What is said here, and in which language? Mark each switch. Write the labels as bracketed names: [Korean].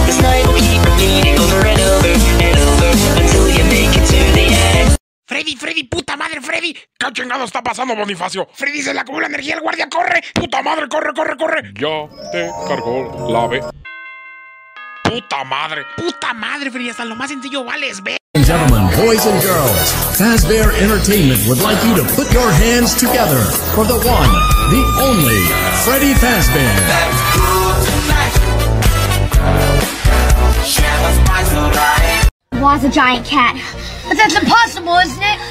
[English] This night will keep repeating over and over and over until you make it to the end. [Spanish] Freddy, Freddy, puta madre, Freddy. ¿Qué chingado está pasando, Bonifacio? Freddy, se le acumula energía, el guardia, corre. Puta madre, corre, corre, corre. Ya te cargó la ave. Puta madre. Puta madre, Freddy, hasta lo más sencillo vale, ve. [English] Gentlemen, boys and girls, Fazbear Entertainment would like you to put your hands together for the one, the only, Freddy Fazbear. That's cool tonight. Was a giant cat, but that's impossible, isn't it?